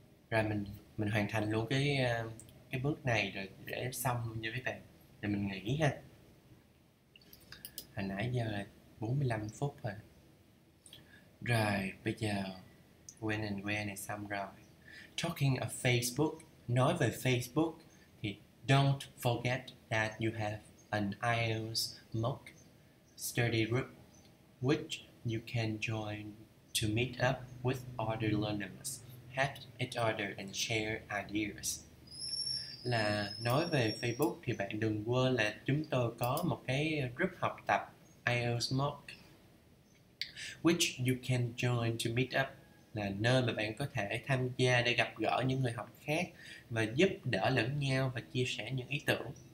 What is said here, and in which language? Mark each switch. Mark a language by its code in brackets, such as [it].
[vi] Rồi mình hoàn thành luôn cái bước này rồi, để xong như các bạn. Rồi mình nghỉ ha. Hồi nãy giờ là 45 phút rồi. Rồi, bây giờ When and Where này xong rồi. [en] Talking of Facebook, [vi] nói về Facebook thì [en] don't forget that you have an IELTS mock study group which you can join to meet up with other learners, help each other and share ideas. [vi] Là nói về Facebook thì bạn đừng quên là chúng tôi có một cái group học tập IELTS mock [en] which you can join to meet up, [vi] là nơi mà bạn có thể tham gia để gặp gỡ những người học khác và giúp đỡ lẫn nhau và chia sẻ những ý tưởng.